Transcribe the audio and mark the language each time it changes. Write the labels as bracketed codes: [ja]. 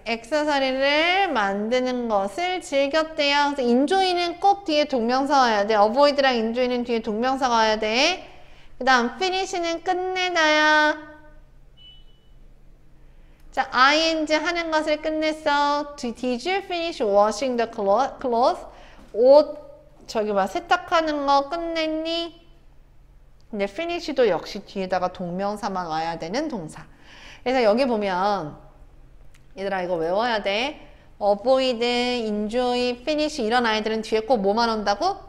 [ko] accessories를 만드는 것을 즐겼대요. 그래서 enjoy는 꼭 뒤에 동명사가 와야 돼. avoid랑 enjoy는 뒤에 동명사가 와야 돼. 그다음 finish는 끝내다야. 자, ing 하는 것을 끝냈어. [en] Did you finish washing the clothes? [ko] 옷, 저기 봐, 세탁하는 거 끝냈니? 근데 finish도 역시 뒤에다가 동명사만 와야 되는 동사. 그래서 여기 보면, 얘들아, 이거 외워야 돼. avoid, enjoy, finish 이런 아이들은 뒤에 꼭 뭐만 온다고?